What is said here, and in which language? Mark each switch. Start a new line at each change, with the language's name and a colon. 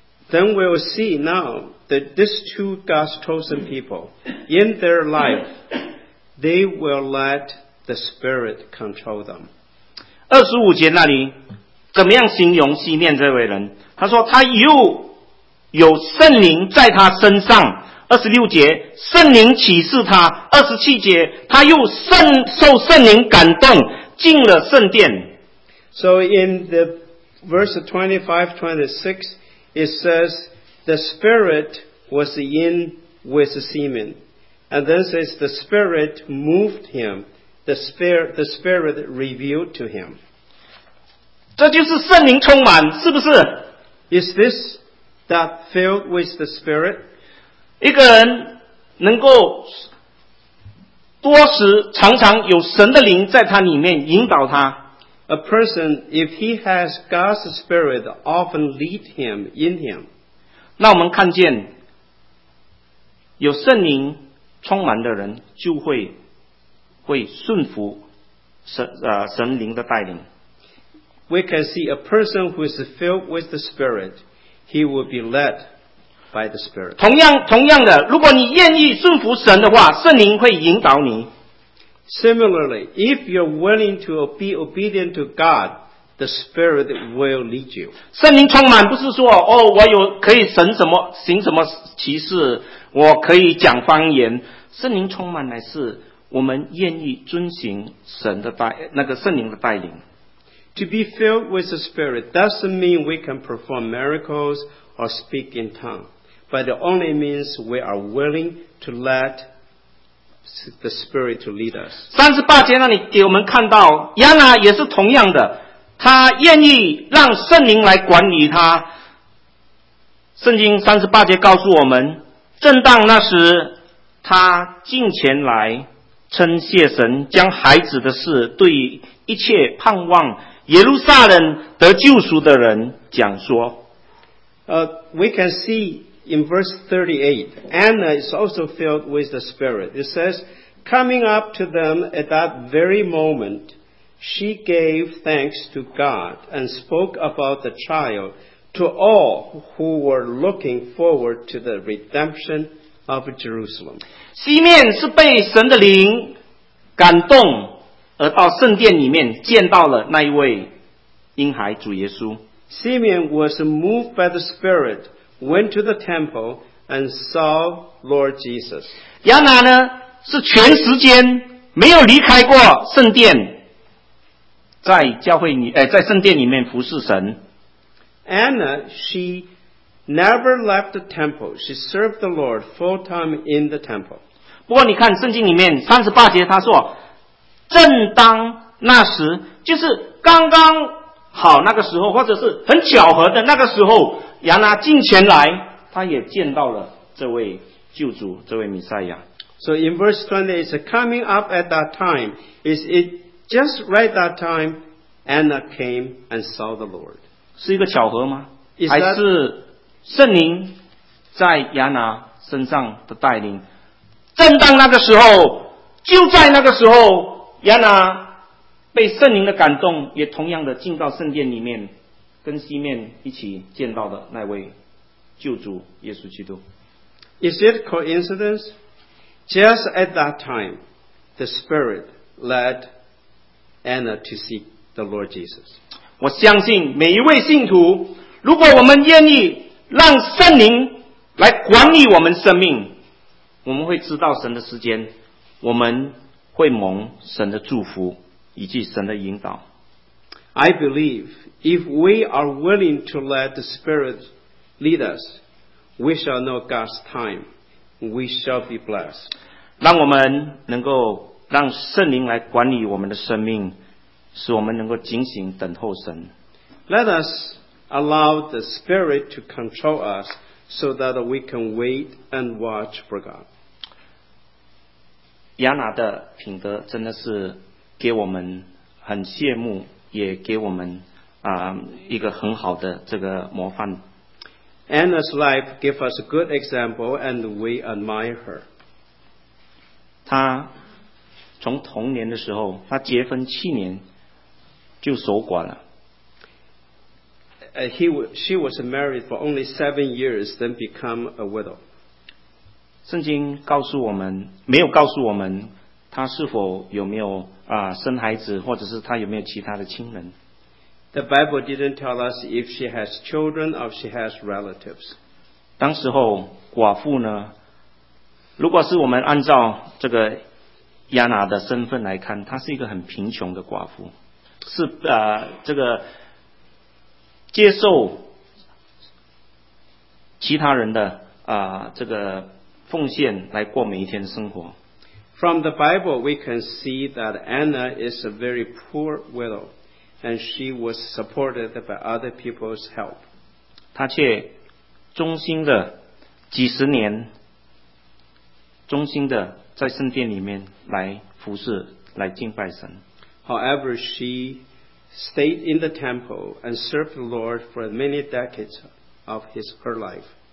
English: Then we'll see now that these two God's chosen people, in their life, they will let the Spirit control them.
Chinese: 二十五节那里怎么样形容西面这位人？他说他有圣灵在他身上。二十六节，圣灵启示他。二十七节，他又受圣灵感动，进了圣殿。
English: So in the verse 25-26, it says the Spirit was in with Simon, and then says the Spirit moved him. The Spirit revealed to him.
Chinese: 这就是圣灵充满，是不是
English: ？Is this that filled with the Spirit?
Chinese: 一个人能够多时常常有神的灵在他里面引导他。
English: A person, if he has God's Spirit, often lead him in him.
Chinese: 那我们看见有圣灵充满的人就会顺服 神灵的带领。
English: We can see a person who is filled with the Spirit, he will be led by the Spirit.
Chinese: 同样的，如果你愿意顺服神的话，圣灵会引导你。
English: Similarly, if you're willing to be obedient to God, The Spirit will lead you.
Chinese: 圣灵充满不是说哦，我有可以神什么行什么奇事，我可以讲方言。圣灵充满乃是我们愿意遵行神的带那个圣灵的带领。
English: To be filled with the Spirit doesn't mean we can perform miracles or speak in tongues, but it only means we are willing to let the Spirit to lead us.
Chinese: 38节那里给我们看到，亚拿也是同样的。他愿意让圣灵来管理他。圣经38节告诉我们，正当那时，他进前来称谢神，将孩子的事对一切盼望耶路撒冷得救赎的人讲说。
English: We can see in verse 38, Anna is also filled with the Spirit. It says, coming up to them at that very moment,She gave thanks to God and spoke about the child to all who were looking forward to the redemption of Jerusalem.
Chinese: 西面是被神的灵感动而到圣殿里面见到了那一位婴孩主耶稣。
English: Simeon was moved by the Spirit, went to the temple and saw Lord Jesus.
Chinese: 亚拿呢是全时间没有离开过圣殿。在教会里，在圣殿里面服侍神。
English: Anna, she never left the temple. She served the Lord full time in the temple.
Chinese: 不过你看圣经里面38节他说，正当那时，就是刚刚好那个时候，或者是很巧合的那个时候，亚拿进前来，他也见到了这位救主，这位弥赛亚。
English: So in verse 20, it's coming up at that time. Is it? Just right that time, Anna came and saw the Lord.
Chinese: 是一个巧合吗？还是圣灵在亚拿身上的带领？正当那个时候，就在那个时候，亚拿被圣灵的感动，也同样的进到圣殿里面，跟西面一起见到的那位救主耶稣基督。
English: Is it coincidence? Just at that time, the Spirit led Anna to see the Lord Jesus.
Chinese: 我相信每一位信徒，如果我们愿意让圣灵来管理我们生命，我们会知道神的时间，我们会蒙神的祝福以及神的引导。
English: I believe if we are willing to let the Spirit lead us, we shall know God's time. We shall be blessed.
Chinese: 让我们能够让圣灵来管理我们的生命，使我们能够警醒等候神。
English: Let us allow the Spirit to control us so that we can wait and watch for God.
Chinese: 亚拿的品德真的是给我们很羡慕，也给我们一个很好的这个模范。
English: Anna's life gives us a good example and we admire her.
Chinese: 她从童年的时候，他结婚七年就守寡了。
English: She was married for only 7 years, then become a widow.
Chinese: 圣经告诉我们，没有告诉我们他是否有没有生孩子，或者是他有没有其他的亲人。
English: The Bible didn't tell us if she has children or she has relatives.
Chinese: 当时候寡妇呢，如果是我们按照这个亚拿的身份来看，她是一个很贫穷的寡妇，是这个接受其他人的这个奉献来过每一天生活。
English: From the Bible, we can see that Anna is a very poor widow, and she was supported by other people's help.
Chinese: 她却忠心的几十年，忠心的在圣殿里面来服侍，来敬拜神。
English: However, she stayed in the temple and served the Lord for many decades of her life.